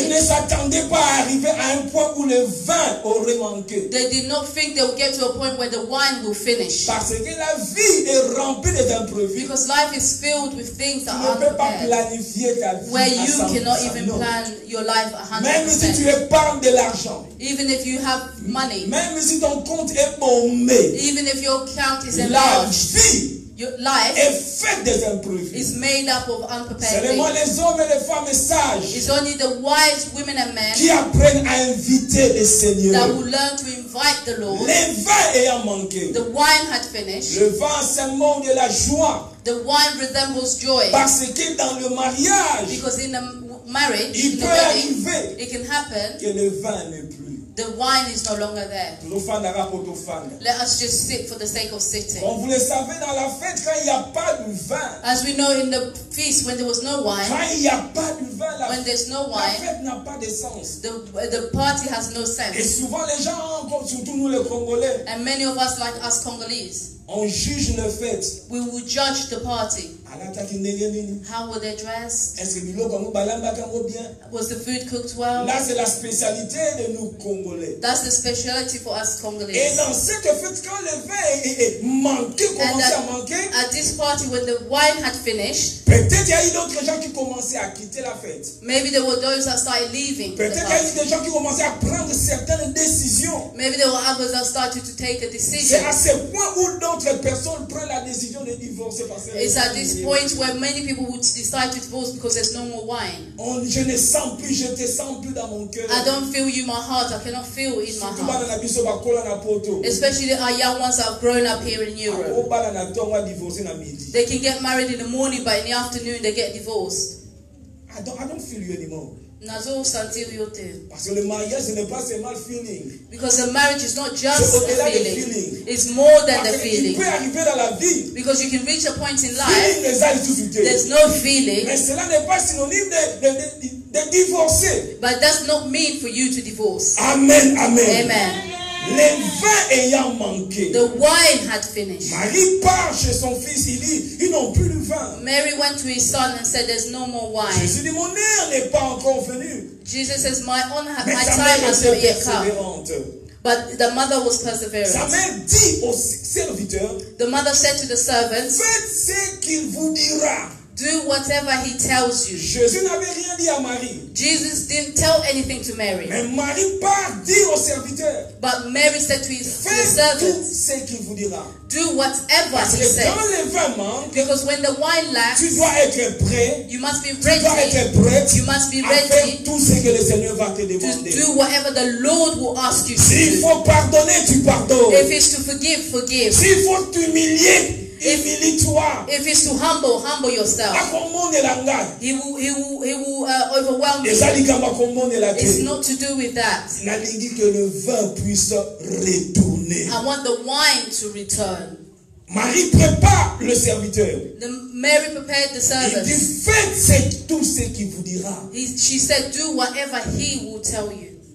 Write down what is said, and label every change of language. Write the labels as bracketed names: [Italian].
[French] Ils ne s'attendaient pas à arriver à un point où le vin aurait manqué. [English] They did not think they would get to a point where the wine will finish. [French] Parce que la vie est remplie d'imprévus. [English] Because life is filled with things that [French] tu ne peux pas planifier ta vie. [English] Where [French] à [English] you [French] 100%. [English] Cannot even plan your life 100%. [French] Même si tu épargnes de l'argent. [English] Even if you have money. [French] Même si ton compte est bombé. [English] Even if your account is enlarged, your life [French] est fait des imprévus. [English] Is made up of unprepared [French] c'est [English] things. [French] Les hommes et les femmes sages [English] it's only the wise women and men [French] qui apprennent à inviter le Seigneur. [English] That will learn to invite the Lord. [French] Le vin ayant manqué. [English] The wine had finished. [French] Le vin symbole de la joie. [English] The wine resembles joy. [French] Parce que dans le mariage, [English] because in a marriage, [French] il [English] in [French] peut [English] the [French] arriver [English] wedding, it can happen [French] que le vin n'est plus. [English] The wine is no longer there. Let us just sit for the sake of sitting. [French] Vous le savez, dans la fête, quand y a pas de vin, [English] as we know in the feast when there was no wine. [French] Quand y a pas de vin, la, [English] when there's no wine. [French] La fête n'a pas de sens. [English] The party has no sense. [French] Et souvent, les gens, surtout nous, les Congolais, [English] and many of us like us Congolese. [French] On juge le fête. [English] We will judge the party. How were they dressed? Was the food cooked well? [French] Là, c'est la spécialité de nous Congolais. [English] That's the speciality for us Congolese. [French] Et dans cette fête, quand le vin manqué, commençait à manquer, [English] at this party when the wine had finished, [French] peut-être il y a eu d'autres gens qui commençaient à quitter la fête. [English] Maybe there were those that started leaving. [French] Peut-être il y a eu des gens qui commençaient à prendre certaines décisions. [English] Maybe there were others that started to take a decision. [French] C'est à ce point où d'autres personnes prennent la décision de divorcer parce que [English] it's at this point where many people would decide to divorce because there's no more wine. [French] On, je ne sens plus, je te sens plus dans mon cœur. [English] I don't feel you in my heart. I cannot feel in my heart. Especially our young ones that have grown up here in Europe. They can get married in the morning, but in the afternoon they get divorced. I don't feel you anymore. [French] Parce que le mariage n'est pas seulement feeling. [English] Because the marriage is not just a feeling. It's more than the feeling. [French] Parce que tu peux arriver dans la vie. [English] Because you can reach a point in life. There's no feeling. [French] Mais cela n'est pas synonyme de divorcer. [English] But that's not mean for you to divorce. Amen, amen. Amen. [French] Le vin ayant manqué. [English] The wine had finished. [French] Marie part chez son fils, il dit, ils n'ont plus de vin. [English] Mary went to his son and said, there's no more wine. [French] Jésus dit, mon heure n'est pas encore venue. [English] Jesus says, my honor, my time has not yet come. But the mother was perseverant. [French] Sa mère dit au serviteur, [English] the mother said to the servant, [French] faites ce qu'il vous dira. [English] Do whatever he tells you. [French] Jésus n'avait rien dit à Marie. [English] Jesus didn't tell anything to Mary. [French] Mais Marie part dit au serviteur. [English] But Mary said to his servant, do whatever he says. Because when the wine lacks, [French] tu dois être prêt, [English] you must be ready. [French] Tu dois être prêt, [English] you must be ready [French] tout ce que le Seigneur va te demander. [English] To do whatever the Lord will ask you to [French] si [English] do. [French] Il faut pardonner, tu pardonnes. [English] If it's to forgive, forgive. [French] Si il faut t'humilier, [English] if it's to humble, humble yourself. He will overwhelm you. It's not to do with that. I want the wine to return. [French] Marie prépare le serviteur. [English] Mary prepared the servant. [French] Il dit, faites tout ce qu'il vous dira. [English] She said, do whatever he will tell you.